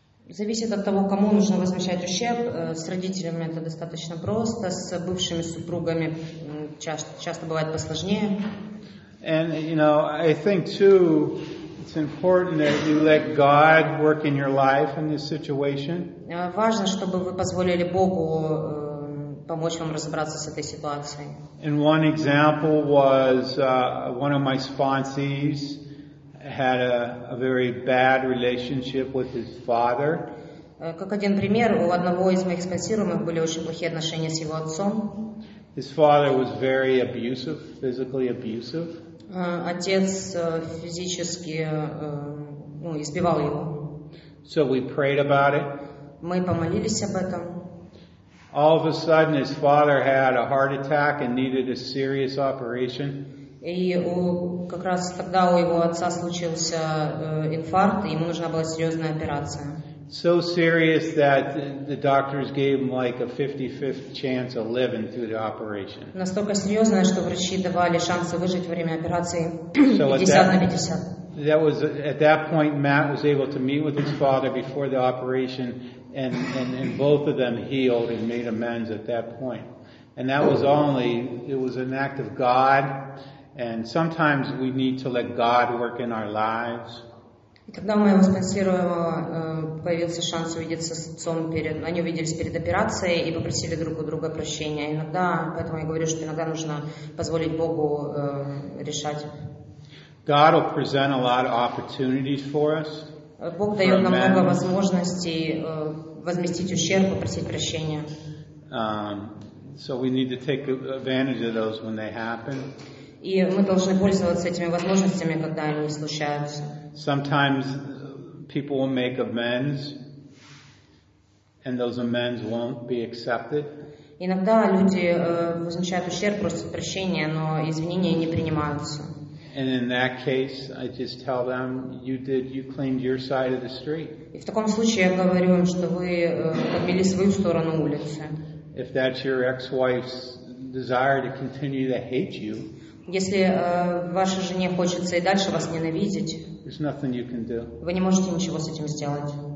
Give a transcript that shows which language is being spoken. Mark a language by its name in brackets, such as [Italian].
[Russian] Зависит от того, кому нужно возмещать ущерб. С родителями это достаточно просто, с бывшими супругами часто бывает посложнее. [English] And you know, I think too, it's important that you let God work in your life in this situation. [Russian] Важно, чтобы вы позволили Богу помочь вам разобраться с этой ситуацией. [English] And one example was one of my sponsees had a very bad relationship with his father. [Russian] Как один пример, у одного из моих спонсируемых были очень плохие отношения с его отцом. [English] His father was very abusive, physically abusive. [Russian] Отец физически избивал его. [English] So we prayed about it. [Russian] Мы помолились об этом. [English] All of a sudden his father had a heart attack and needed a serious operation. [Russian] И как раз тогда у его отца случился инфаркт, и ему нужна была серьезная операция. [English] So serious that the doctors gave him like a 50-50 chance of living through the operation. [Russian] Настолько серьезная, что врачи давали шансы выжить во время операции 50-50. [English] That was at that point Matt was able to meet with his father before the operation, and both of them healed and made amends at that point. And that was only, it was an act of God. And sometimes we need to let God work in our lives. [Russian] Когда у моего спонсируемого появился шанс увидеться с отцом перед, они увиделись перед операцией и попросили друг у друга прощения. Иногда, поэтому я говорю, что иногда нужно позволить Богу решать. [English] God will present a lot of opportunities for us. [Russian] Бог дает нам много возможностей возместить ущерб, попросить прощения. [English] So we need to take advantage of those when they happen. [Russian] И мы должны пользоваться этими возможностями, когда они случаются. [English] Sometimes people will make amends, and those amends won't be accepted. [Russian] Иногда люди возмещают ущерб, просят прощения, но извинения не принимаются. [English] And in that case, I just tell them, you claimed your side of the street. [Russian] И в таком случае я говорю им, что вы отбили свою сторону улицы. [English] If that's your ex-wife's desire to continue to hate you, [Russian] если вашей жене хочется и дальше вас ненавидеть, вы не можете ничего с этим сделать.